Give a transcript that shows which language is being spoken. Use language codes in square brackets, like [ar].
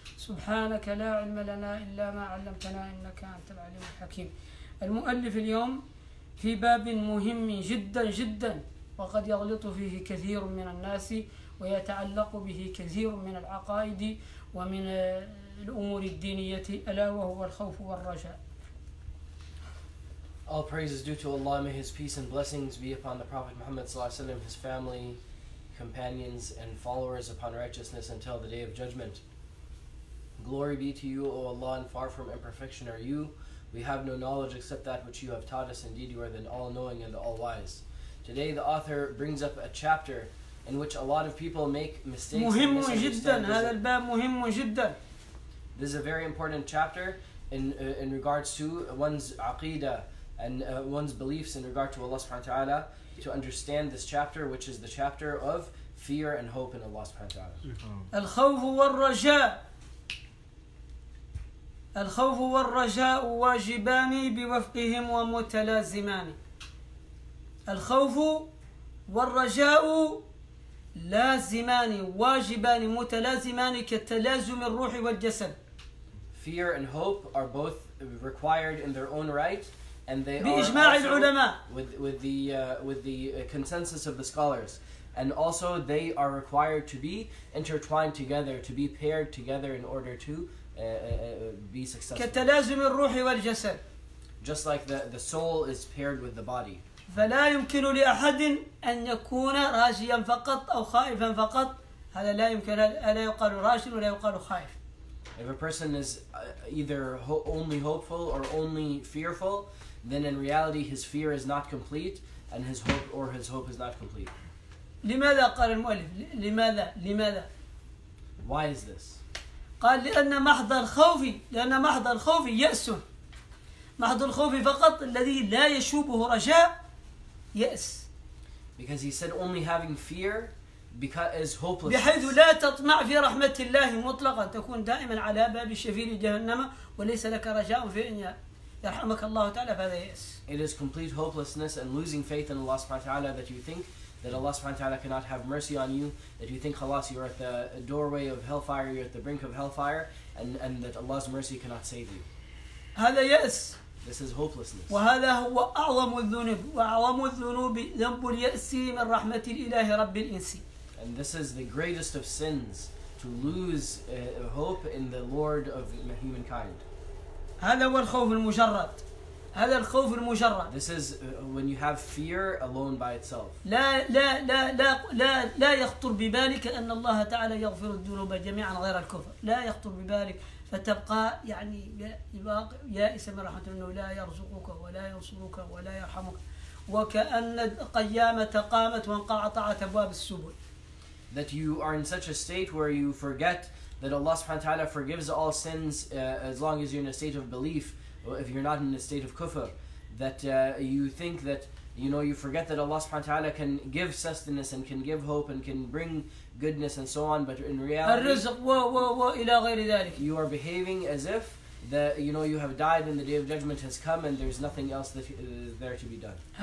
[ar] سبحانك لا علم لنا إلا ما علمتنا إنك أنت العليم الحكيم. المؤلف اليوم في باب مهم جدا جدا وقد يغلط فيه كثير من الناس ويتعلق به كثير من العقائد ومن الأمور الدينية ألا وهو الخوف والرجاء. [en] All praise is due to Allah, may His peace and blessings be upon the Prophet Muhammad [ar] صلى الله عليه وسلم, [en] his family, companions, and followers upon righteousness until the Day of Judgment. Glory be to you, O Allah, and far from imperfection are you. We have no knowledge except that which you have taught us. Indeed, you are the all-knowing and the all-wise. Today, the author brings up a chapter in which a lot of people make mistakes. [ar] مهم جدا هذا الباب مهم جدا. [en] This is a very important chapter in regards to one's aqidah and one's beliefs in regard to Allah subhanahu wa ta'ala, to understand this chapter, which is the chapter of fear and hope in Allah subhanahu wa ta'ala. [ar] الخوف والرجاء. الخوف والرجاء واجبان بوفقهم ومتلازمان. الخوف والرجاء لازمان واجبان متلازمان كتلازم الروح والجسد. [en] Fear and hope are both required in their own right, and they [ar] بإجماع [en] are also [ar] العلماء. [en] with the consensus of the scholars, and also they are required to be intertwined together, to be paired together in order to be successful. [ar] كتلازم الروح والجسد. [en] Just like the soul is paired with the body. [ar] فلا يمكن لأحد أن يكون راجيا فقط أو خائفا فقط. هذا لا يمكن. ألا يقال راجي ولا يقال خائف. [en] If a person is either only hopeful or only fearful, then in reality his fear is not complete and his hope is not complete. [ar] لماذا قال المؤلف؟ لماذا؟ [en] Why is this? [ar] قال لأن محض الخوف يأس. محض الخوف فقط الذي لا يشوبه رجاء يأس. [en] Because he said only having fear is hopeless. [ar] بحيث لا تطمع في رحمة الله مطلقا تكون دائما على باب شفير جهنم وليس لك رجاء في أن يرحمك الله تعالى فهذا يأس. [en] It is complete hopelessness and losing faith in Allah subhanahu wa ta'ala that you think that Allah subhanahu wa ta'ala cannot have mercy on you, that you think khalas you're at the doorway of hellfire, you're at the brink of hellfire, and that Allah's mercy cannot save you. [ar] هذا يأس. [en] This is hopelessness. [ar] وهذا هو أعظم الذنوب وأعظم الذنوب ذنب اليأس من رحمة الإله رب الإنس. [en] And this is the greatest of sins, to lose hope in the Lord of humankind. [ar] هذا هو الخوف المجرد. هذا الخوف المجرد. [en] This is when you have fear alone by itself. [ar] لا لا لا لا لا لا يخطر ببالك أن الله تعالى يغفر الذنوب جميعا غير الكفر. لا يخطر ببالك فتبقى يعني يائس من رحمة الله لا يرزقك ولا ينصرك ولا يرحمك وكأن قيامة قامت وانقطعت أبواب السبل. [en] That you are in such a state where you forget that Allah subhanahu wa ta'ala forgives all sins as long as you're in a state of belief. If you're not in a state of kufr, that you think that, you know, you forget that Allah subhanahu wa ta'ala can give sustenance and can give hope and can bring goodness and so on, but in reality, you are behaving as if that, you know, you have died and the Day of Judgment has come and there's nothing else that is there to be done.